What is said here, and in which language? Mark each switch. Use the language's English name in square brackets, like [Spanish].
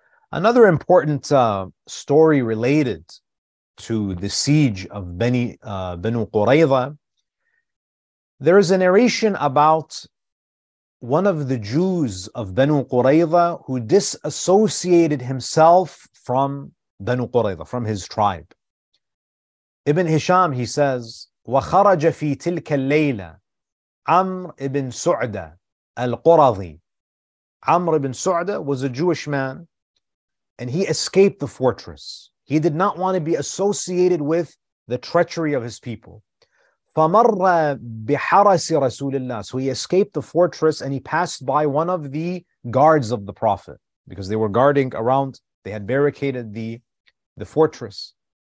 [English] Another important story related to the siege of Banu Qurayza, there is a narration about one of the Jews of Banu Qurayza who disassociated himself from Banu Qurayza, from his tribe. Ibn Hisham, he says, [Arabic] وخرج في تلك الليلة عمر بن سعدة القرظي. [English] عمر بن سعدة was a Jewish man, and he escaped the fortress. He did not want to be associated with the treachery of his people. [Arabic] فمر بحرس رسول الله. [English] So he escaped the fortress and he passed by one of the guards of the Prophet, because they were guarding around, they had barricaded the fortress.